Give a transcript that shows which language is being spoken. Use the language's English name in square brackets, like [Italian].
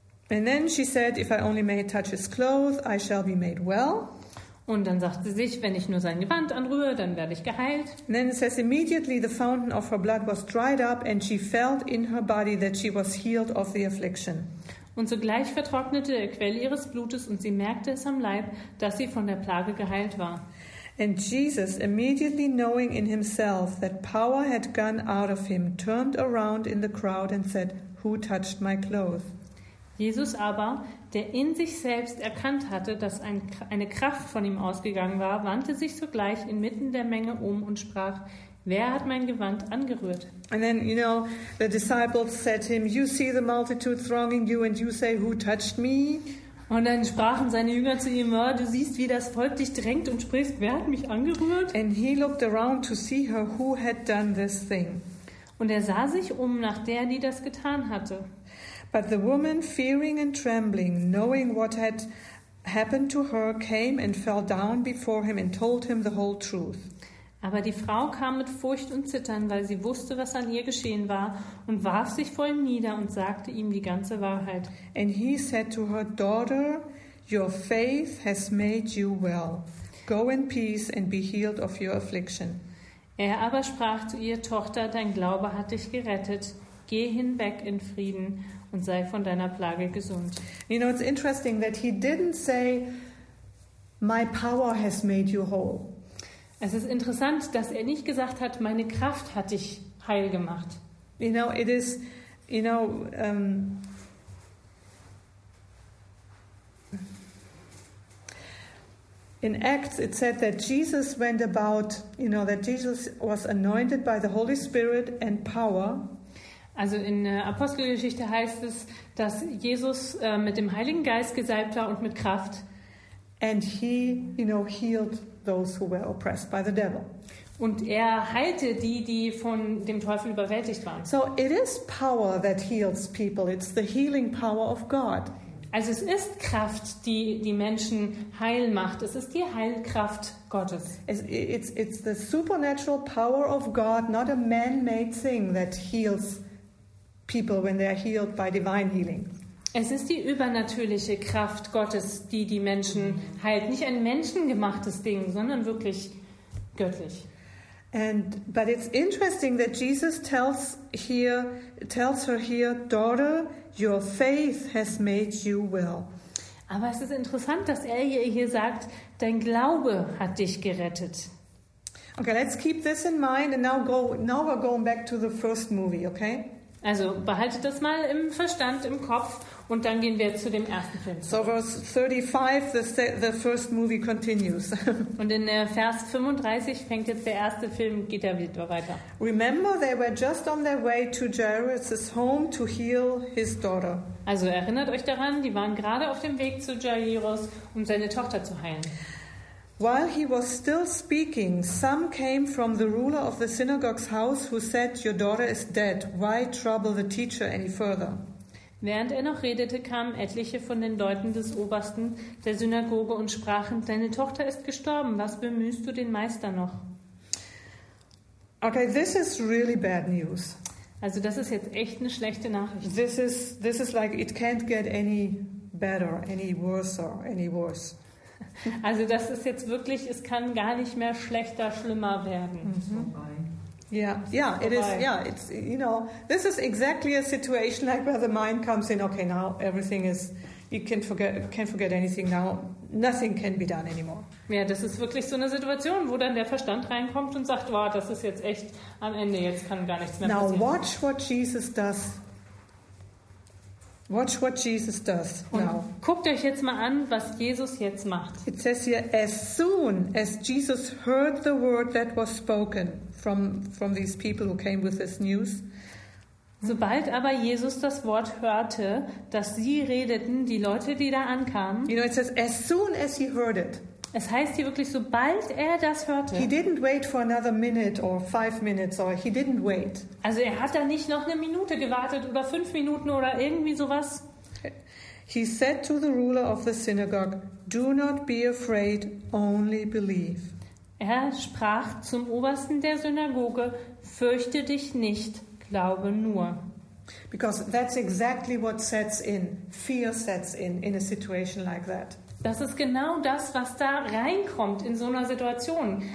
[English] And then she said, if I only may touch his clothes, I shall be made well. [German] Und dann sagte sie sich, wenn ich nur sein Gewand anrühre, dann werde ich geheilt. [English] And then it says, immediately the fountain of her blood was dried up and she felt in her body that she was healed of the affliction. [German] Und sogleich vertrocknete der Quell ihres Blutes und sie merkte es am Leib, dass sie von der Plage geheilt war. [English] And Jesus, immediately knowing in himself that power had gone out of him, turned around in the crowd and said, who touched my clothes? [German] Jesus aber, der in sich selbst erkannt hatte, dass eine Kraft von ihm ausgegangen war, wandte sich sogleich inmitten der Menge um und sprach, wer hat mein Gewand angerührt? [English] And then, you know, the disciples said to him, you see the multitude thronging you and you say, who touched me? [German] Und dann sprachen seine Jünger zu ihm, du siehst, wie das Volk dich drängt und sprichst, wer hat mich angerührt? [English] And he looked around to see her who had done this thing. [German] Und er sah sich um nach der, die das getan hatte. [English] But the woman, fearing and trembling, knowing what had happened to her, came and fell down before him and told him the whole truth. [German] Aber die Frau kam mit Furcht und Zittern, weil sie wusste, was an ihr geschehen war, und warf sich vor ihm nieder und sagte ihm die ganze Wahrheit. [English] And he said to her, Daughter, your faith has made you well. Go in peace and be healed of your affliction. [German] Er aber sprach zu ihr, Tochter, dein Glaube hat dich gerettet. Geh hinweg in Frieden und sei von deiner Plage gesund. [English] You know, it's interesting that he didn't say, my power has made you whole. [German] Es ist interessant, dass er nicht gesagt hat, meine Kraft hat dich heil gemacht. [English] You know, it is, you know, in Acts it said that Jesus went about, you know, that Jesus was anointed by the Holy Spirit and power. [German] Also in der Apostelgeschichte heißt es, dass Jesus mit dem Heiligen Geist gesalbt war und mit Kraft. [English] And he, you know, healed those who were oppressed by the devil. [German] Und er heilte die, die von dem Teufel überwältigt waren. [English] So it is power that heals people. It's the healing power of God. [German] Also es ist Kraft, die die Menschen heil macht. Es ist die Heilkraft Gottes. [English] It's the supernatural power of God, not a man-made thing that heals people when they are healed by divine healing. [German] Es ist die übernatürliche Kraft Gottes, die die Menschen heilt. Nicht ein menschengemachtes Ding, sondern wirklich göttlich. [English] And but it's interesting that Jesus tells her here, daughter, your faith has made you well. [German] Aber es ist interessant, dass er hier sagt, dein Glaube hat dich gerettet. [English] Okay, let's keep this in mind and now we're going back to the first movie, okay? [German] Also behaltet das mal im Verstand, im Kopf und dann gehen wir zu dem ersten Film. [English] So verse 35, the first movie continues. [German] Und in Vers 35 fängt jetzt der erste Film, geht er wieder weiter. [English] Remember, they were just on their way to Jairus' home to heal his daughter. [German] Also erinnert euch daran, die waren gerade auf dem Weg zu Jairus, um seine Tochter zu heilen. [English] While he was still speaking, some came from the ruler of the synagogue's house who said, your daughter is dead. Why trouble the teacher any further? [German] Während er noch redete, kamen etliche von den Leuten des Obersten der Synagoge und sprachen, deine Tochter ist gestorben. Was bemühst du den Meister noch? [English] Okay, this is really bad news. [German] Also das ist jetzt echt eine schlechte Nachricht. [English] This is like it can't get any better, any worse or any worse. [German] Also das ist jetzt wirklich, es kann gar nicht mehr schlechter, schlimmer werden. [English] It's, you know, this is exactly a situation like where the mind comes in, okay, now everything is, you can't forget anything now, nothing can be done anymore. [German] Ja, das ist wirklich so eine Situation, wo dann der Verstand reinkommt und sagt, wow, das ist jetzt echt am Ende, jetzt kann gar nichts mehr [English] now [German] passieren. [English] Now watch what Jesus does. Watch what Jesus does now. [German] Guckt euch jetzt mal an, was Jesus jetzt macht. [English] It says here, as soon as Jesus heard the word that was spoken from these people who came with this news. [German] Sobald aber Jesus das Wort hörte, dass sie redeten, die Leute, die da ankamen. [English] You know, it says, as soon as he heard it. [German] Es heißt hier wirklich, sobald er das hörte. [English] He didn't wait for another minute or 5 minutes or he didn't wait. [German] Also er hat da nicht noch eine Minute gewartet oder 5 Minuten oder irgendwie sowas. [English] He said to the ruler of the synagogue, do not be afraid, only believe. [German] Er sprach zum Obersten der Synagoge, fürchte dich nicht, glaube nur. [English] Because that's exactly what sets in, fear sets in a situation like that. [German] Das ist genau das, was da reinkommt in so einer Situation.